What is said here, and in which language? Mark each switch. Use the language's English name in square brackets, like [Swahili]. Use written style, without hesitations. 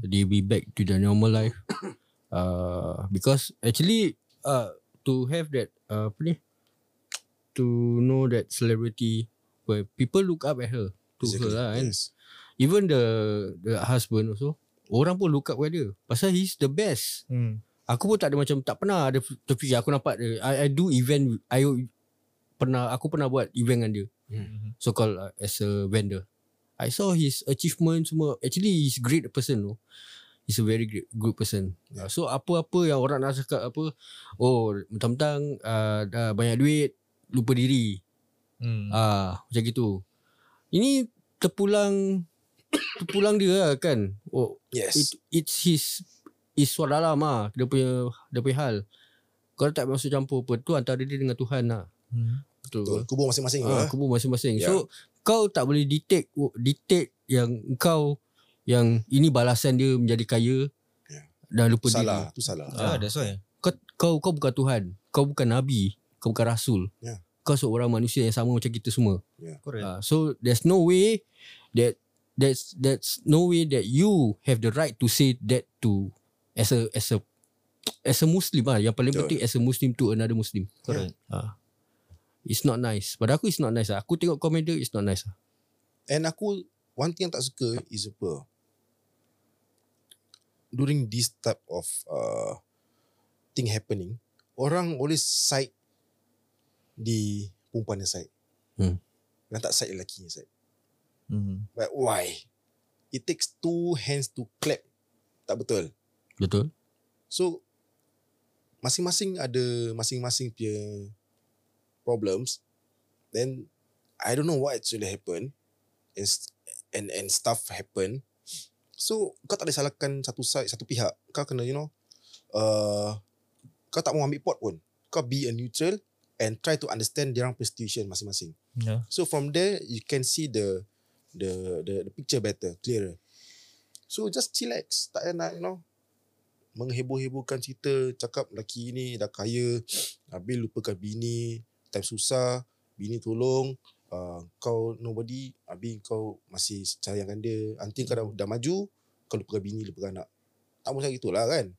[English] They'll be back to their normal life. Because actually, to have that, [Malay] apa ni? [English] To know that celebrity, where people look up at her, to exactly. her [Malay] lah, kan? [English] Yes. Even the husband also, [Malay] orang pun [English] look up at dia. [Malay] Pasal [English] he's the best. [Malay] Aku pun tak ada macam, tak pernah ada terfikir. Aku nampak dia, [English] I do event, [Malay] aku pernah buat event dengan dia. [English] So called as a vendor. I saw his achievement [Malay] semua. [English] Actually, he's great person though. He's a very good person. [Malay] Yeah. So apa-apa yang orang nak cakap apa, oh, mentang-mentang dah banyak duit, lupa diri. Macam gitu. Ini terpulang dia lah, kan. Oh, [English] yes. [Malay] It's suara dalam lah. Dia punya hal. Kau tak masuk campur apa tu, antara dia dengan Tuhan lah. Betul. Kubur masing-masing. Kubur masing-masing. Yeah. So kau tak boleh detect yang kau, yang ini balasan dia menjadi kaya, dan lupa salah. Diri. Salah. Itu salah. [English] That's why. [Malay] Kau bukan Tuhan. Kau bukan Nabi. Kau bukan Rasul. [English] Yeah. [Malay] Kau seorang manusia yang sama macam kita semua. [English] Yeah. So there's no way that's no way that you have the right to say that to as a Muslim lah. Yang paling penting as a Muslim to another Muslim. It's not nice. [Malay] Pada aku [English] it's not nice lah. [Malay] Aku tengok komen dia, [English] it's not nice lah. And [Malay] aku, [English] one thing [Malay] yang tak suka [English] is apa, during this type of thing happening, orang always side [Malay] di perempuan yang [English] side. Hmm. [Malay] Dan tak side lelaki yang side. [English] Hmm. But why? It takes two hands to clap. [Malay] Tak betul. Betul. So, masing-masing ada masing-masing punya problems. [English] Then, I don't know what actually happened. And stuff happen. [Malay] So, kau tak boleh salahkan satu side, satu pihak. Kau kena, [English] you know, [Malay] kau tak mau ambil pot pun. Kau be a neutral and try to understand their situation masing-masing. [English] Yeah. So, from there, you can see the picture better, clearer. So, just chillax. [Malay] Tak payah nak, [English] you know, [Malay] mengheboh-hebohkan cerita, cakap lelaki ni dah kaya, habis lupakan bini, time susah, bini tolong, kau nobody, habis kau masih sayangkan dia, nanti kau dah maju, kau lupakan bini, lupakan anak. Tak macam itulah kan.